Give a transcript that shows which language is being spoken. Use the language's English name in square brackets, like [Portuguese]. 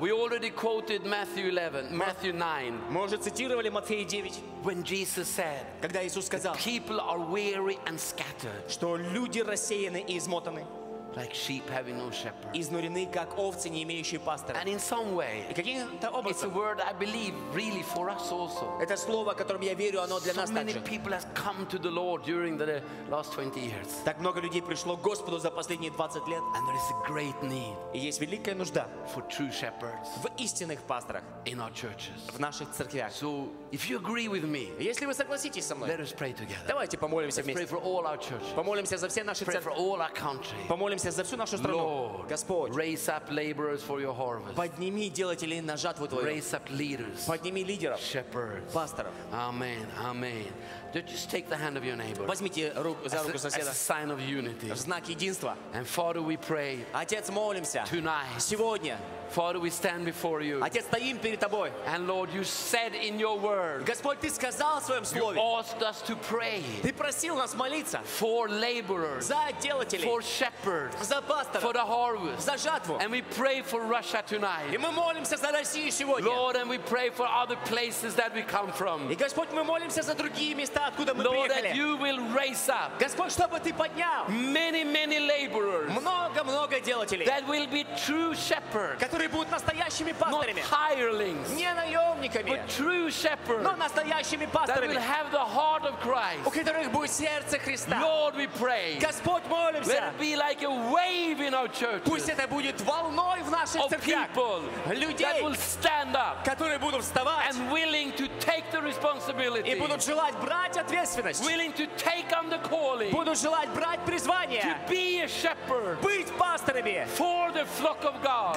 [English] We already quoted Matthew 11, Matthew 9. [Russian] Мы уже цитировали Матфея 9. [English] When Jesus said, [Russian] когда Иисус сказал, [English] people are weary and scattered. [Russian] Что люди рассеяны и измотаны. [English] Like sheep having no shepherd. [Russian] Изнурены, как овцы, не имеющие пастора. [English] And in some way, [Russian] и каким-то образом, [English] it's a word I believe really for us also. [Russian] Это слово, которым я верю, оно для нас также. [English] So many people have come to the Lord during the last 20 years. [Russian] Так много людей пришло к Господу за последние 20 лет. [English] And there is a great need. [Russian] И есть великая нужда. [English] For true shepherds. [Russian] В истинных пасторах. [English] In our churches. [Russian] В наших церквях. [English] So if you agree with me, [Russian] если вы согласитесь со мной, [English] let us pray together. [Russian] Давайте помолимся вместе. [English] Let's pray for all our churches. [Russian] Помолимся за все наши церкви. [English] Pray for all our country. [Russian] Помолимся за всю нашу страну. [English] Lord, [Russian] Господь, [English] raise up laborers for your harvest. [Russian] Подними делателей на жатву твою. [English] Raise up leaders. [Russian] Подними лидеров. [English] Shepherds. [Russian] Пасторов. [English] Amen. Amen. Just take the hand of your neighbor. [Russian] Возьмите руку за руку соседа. [English] As a sign of unity. [Russian] Знак единства. [English] And Father, we pray. [Russian] Отец, молимся. [English] Tonight. [Russian] Сегодня. [English] Father, we stand before you. [Russian] Отец, стоим перед тобой. [English] And Lord, you said in your word. [Russian] Господь, ты сказал в своем слове. [English] You asked us to pray. [Russian] Ты просил нас молиться. [English] For laborers. [Russian] За делателей. [English] For shepherds. [Russian] за пастора, [English] for the harvest, [Russian] за жатву. [English] And we pray for Russia tonight. [Russian] И мы молимся за Россию сегодня. [English] Lord, and we pray for other places that we come from. [Russian] И Господь, мы молимся за другие места, откуда мы [English] Lord, [Russian] приехали. [English] That you will raise up. [Russian] Господь, чтобы ты поднял. [English] Many, many laborers. [Russian] Много-много делателей. [English] That will be true shepherds. [Russian] Которые будут настоящими пасторами. [English] Not hirelings. [Russian] Не наемниками. [English] But true shepherds. [Russian] Но настоящими пасторами. [English] That will have the heart of Christ. [Russian] У которых будет сердце Христа. [English] Lord, we pray. [Russian] Господь, молимся. [English] Let it be like a wave in our churches. [Russian] Пусть это будет волной в наших [English] of [Russian] церквях. [English] People [Russian] людей, [English] that will stand up. [Russian] Которые будут вставать. [English] And willing to take the responsibility. [Russian] И будут желать брать ответственность. [English] Willing to take on the calling. [Russian] Будут желать брать призвание. [English] To be a shepherd. [Russian] Быть пасторами. [English] For the flock of God.